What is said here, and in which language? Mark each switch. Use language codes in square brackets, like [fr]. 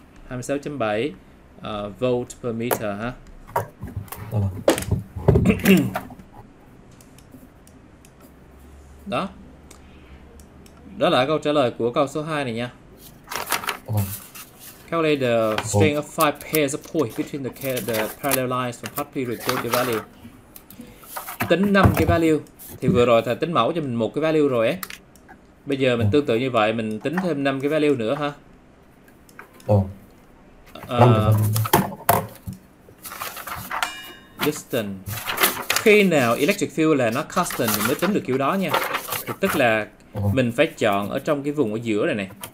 [en] 26,7 volt per meter ha. [vi] Đó. Đó là câu trả lời của câu số 2 này nha. [en] Calculate the string of 5 pairs of points between the parallel lines from part P record the value. [vi] Tính 5 cái value. Thì vừa rồi thầy tính mẫu cho mình một cái value rồi ấy. Bây giờ mình tương tự như vậy, mình tính thêm 5 cái value nữa ha. Distance. Khi nào electric field là nó constant thì mới tính được kiểu đó nha. Thì tức là mình phải chọn ở trong cái vùng ở giữa này này.